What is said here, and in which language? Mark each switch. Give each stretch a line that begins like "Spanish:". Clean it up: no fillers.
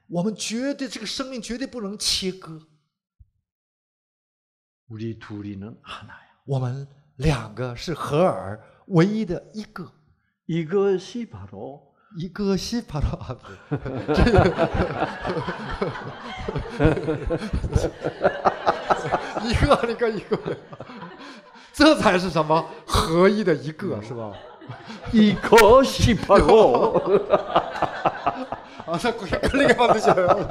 Chinese: 我们绝对这个生命绝对不能切割
Korean: 우리 둘이는 하나야.
Chinese: 我们两个是合而为一的一个.
Korean: 이것이 바로 이것이 바로 이거니까 이거.
Chinese: 这才是什么合一的一个是吧?
Korean: 이것이 바로. 아, 자꾸 헷갈리게 만드세요.